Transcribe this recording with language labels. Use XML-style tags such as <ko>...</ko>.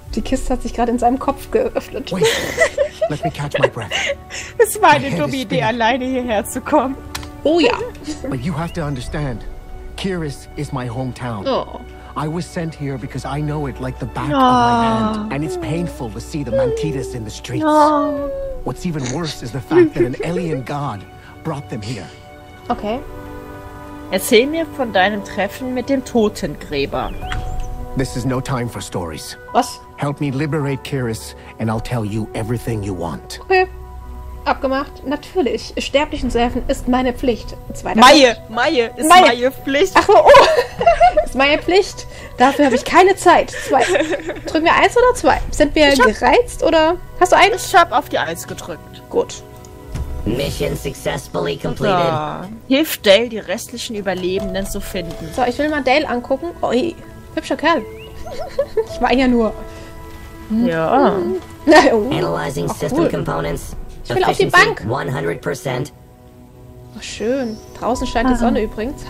<de>Die Kiste hat sich gerade in seinem Kopf geöffnet.</de> <en>Let me catch my breath.</en> <de>Es war eine dumme Idee, alleine hierher zu kommen. Oh ja.</de> <en>But you have to understand. Kyrus is my hometown. I was sent here because I know it like the back of my hand. And it's painful to see the Mantidas in the streets. What's even worse is the fact that an alien god brought them here. Okay.</en> <de>Erzähl mir von deinem Treffen mit dem Totengräber.</de> <en>This is no time for stories.</en> <de>Was?</de> <en>Help me liberate Kyrus, and I'll tell you everything you want.</en> <de>Okay. Abgemacht. Natürlich. Sterblichen zu helfen ist meine Pflicht. Meine Pflicht. Ach so, ist meine Pflicht. Dafür habe ich keine Zeit. Drücken wir eins oder zwei? Sind wir gereizt oder? Hast du eins? Ich habe auf die eins gedrückt. Gut.</de> <en>Mission successfully completed.</en> <de>So. Hilft Dale, die restlichen Überlebenden zu finden. So, ich will mal Dale angucken. Oi. Hübscher Kerl. Ich meine ja nur. Ja.</de> <en>Analyzing system components.</en> <de>Ich will auf die Bank. 100%. Oh, schön. Draußen scheint die Sonne übrigens.</de>